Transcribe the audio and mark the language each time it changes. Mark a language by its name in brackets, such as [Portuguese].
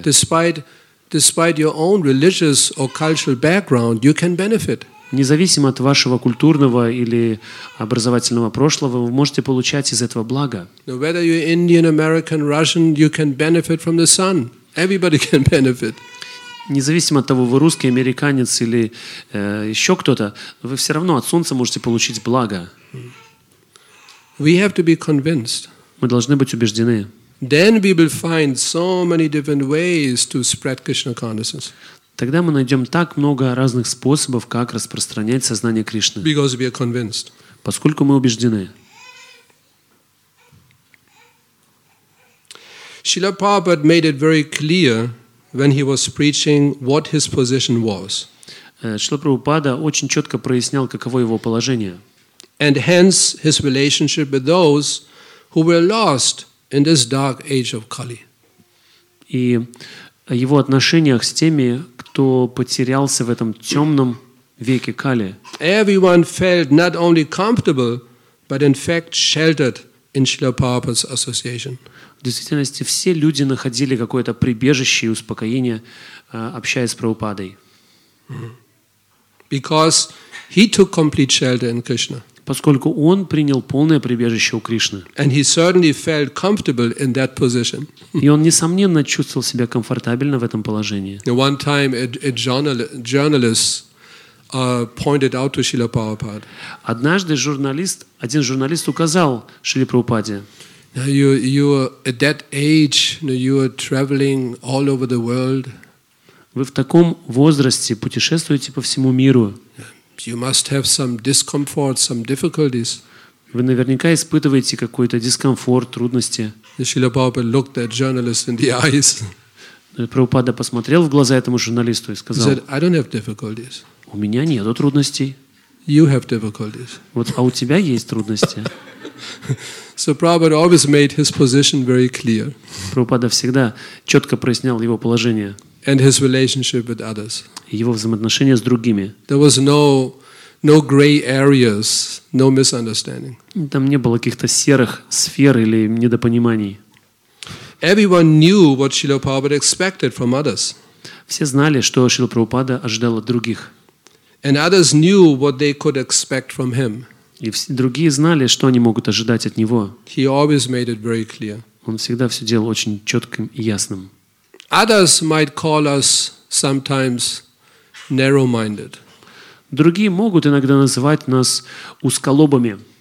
[English] Despite your own religious or cultural background, you can benefit. [Russian] Независимо от вашего культурного или образовательного прошлого, вы можете получать из этого благо. [English] Now, whether you're Indian, American, Russian, you can benefit from the sun. Everybody can benefit. [Russian] Независимо от того, вы русский, американец или еще кто-то, вы все равно от солнца можете получить благо. [English] We have to be convinced. [Russian] Мы должны быть убеждены. [English] Then we will find so many different ways to spread Krishna consciousness. [Russian] Тогда мы найдем так много разных способов, как распространять сознание Кришны. [English] Because we are convinced. [Russian] Поскольку мы убеждены. [English] Srila Prabhupada made it very clear when he was preaching what his position was. [Russian] Srila Prabhupada очень четко прояснял, каково его положение. [English] And hence his relationship with those who were lost in this dark age of Kali. [Russian] И о его отношениях с теми, кто потерялся в этом темном веке Кали. [English] Everyone felt not only comfortable, but in fact sheltered in Srila Prabhupada's association. [Russian] В действительности, все люди находили какое-то прибежище и успокоение, общаясь с Прабхупадой. [English] Because he took complete shelter in Krishna. [Russian] Поскольку он принял полное прибежище у Кришны. [English] And he certainly felt comfortable in that position. [Russian] И он, несомненно, чувствовал себя комфортабельно в этом положении. [English] One time a journalist pointed out to Srila Prabhupada. [Russian] Однажды один журналист указал Шриле Прабхупаде. [English] You at that age, you are traveling all over the world. [Russian] Вы в таком возрасте путешествуете по всему миру. [English] You must have some discomfort, some difficulties. [Russian] Вы наверняка испытываете какой-то дискомфорт, трудности. [English] Srila Prabhupada looked that journalist in the eyes. [Russian] Прабхупада посмотрел в глаза этому журналисту и сказал: [English] He said, "I don't have difficulties." [Russian] У меня нет трудностей. [English] You have difficulties. [Russian] Вот, а у тебя есть трудности. [English] So Prabhupada always made his position very clear. [Russian] Прабхупада всегда четко прояснял его положение. [English] And his relationship with others. [Russian] Его взаимоотношения с другими. [English] There was no gray areas, no misunderstanding. [Russian] Там не было каких-то серых сфер или недопониманий. [English] Everyone knew what Srila Prabhupada expected from others. [Russian] Все знали, что Шрила Прабхупада ожидал от других. [English] And others knew what they could expect from him. [Russian] И другие знали, что они могут ожидать от него. [English] He always made it very clear. [Russian] Он всегда все делал очень четким и ясным. [English] Others might call us sometimes narrow-minded. [Russian] Другие могут иногда называть нас узколобами.